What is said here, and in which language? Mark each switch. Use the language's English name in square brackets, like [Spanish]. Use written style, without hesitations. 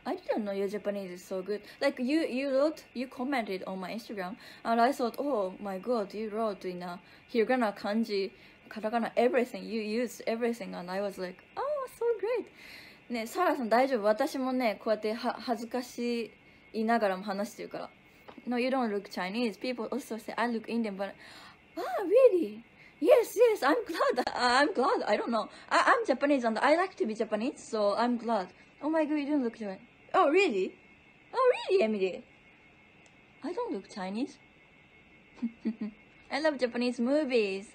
[English] I didn't know your Japanese is so good. Like you commented on my Instagram, and I thought, oh my god, you wrote in a hiragana, kanji, katakana, everything. You used everything, and I was like, oh, so great. [Japanese] ね、サラさん大丈夫。私もね、こうやって恥ずかしいながらも話してるから。 [English] No, you don't look Chinese. People also say I look Indian, but ah, really? Yes, yes, I'm glad, I don't know. I'm Japanese and I like to be Japanese, so I'm glad. Oh my god, you don't look Chinese. Oh, really? Oh, really, Emily? I don't look Chinese. I love Japanese movies.